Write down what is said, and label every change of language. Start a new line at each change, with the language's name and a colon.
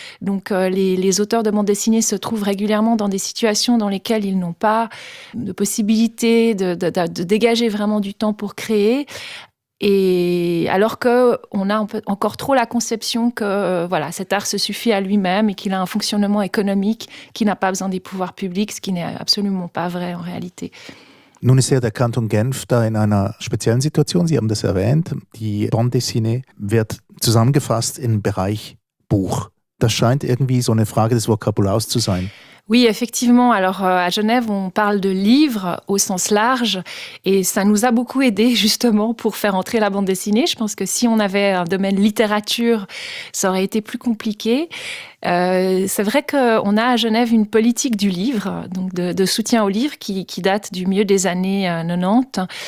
French: Donc les auteurs de bande dessinée se trouvent régulièrement dans des situations dans lesquelles ils n'ont pas de possibilité de dégager vraiment du temps pour créer. Et alors qu'on a encore trop la conception que voilà, cet art se suffit à lui-même et qu'il a un fonctionnement économique, qu'il n'a pas besoin des pouvoirs publics, ce qui n'est absolument pas vrai en réalité.
German: Nun ist ja der Kanton Genf da in einer speziellen Situation. Sie haben das erwähnt. Die Bande dessinée wird zusammengefasst im Bereich Buch. Das scheint irgendwie so eine Frage des Vokabulars zu sein.
French: Oui, effectivement. Alors, à Genève, on parle de livres au sens large, et ça nous a beaucoup aidé justement pour faire entrer la bande dessinée. Je pense que si on avait un domaine littérature, ça aurait été plus compliqué. C'est vrai qu'on a à Genève une politique du livre, donc de soutien au livre, qui date du milieu des années 90.